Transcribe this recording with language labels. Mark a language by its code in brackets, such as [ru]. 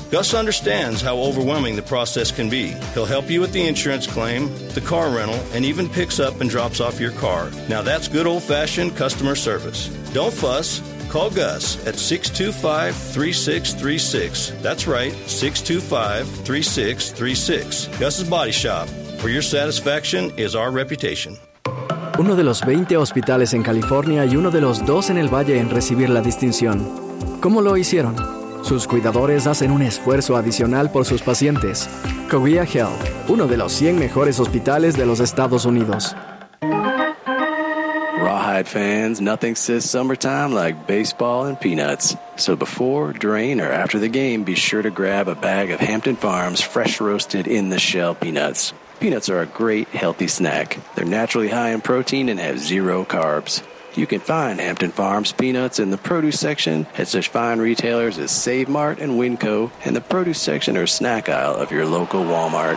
[en] Gus understands how overwhelming the process can be. He'll help you with the insurance claim, the car rental, and even picks up and drops off your car. Now that's good old-fashioned customer service. Don't fuss. Call Gus at 625-3636. That's right, 625-3636. Gus's Body Shop, where your satisfaction is our reputation. [es] Uno de los 20 hospitales en California y uno de los 2 en el Valle en recibir la distinción. ¿Cómo lo hicieron? Sus cuidadores hacen un esfuerzo adicional por sus pacientes. Kaweah Health, uno de los 100 mejores hospitales de los Estados Unidos. [en] Rawhide fans, nothing says summertime like baseball and peanuts. So before, during, or after the game, be sure to grab a bag of Hampton Farms fresh roasted in the shell peanuts. Peanuts are a great, healthy snack. They're naturally high in protein and have zero carbs. You can find Hampton Farms peanuts in the produce section at such fine retailers as Save Mart and Winco, and the produce section or snack aisle of your local Walmart.